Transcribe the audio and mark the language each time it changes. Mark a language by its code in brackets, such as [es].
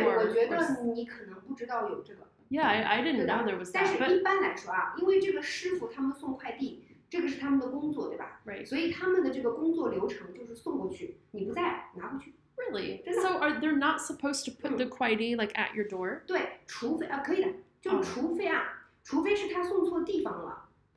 [zh] 对，我觉得你可能不知道有这个。 [en] Yeah, I didn't know there was that. [zh] 但是一般来说啊，因为这个师傅他们送快递，这个是他们的工作，对吧？ [en] Right. [zh] 所以他们的这个工作流程就是送过去，你不在，拿过去。 [en] Really? So are they not supposed to put the Kuaidi like at your door? [zh] 对，除非啊，可以的，就除非啊，除非是他送错地方了。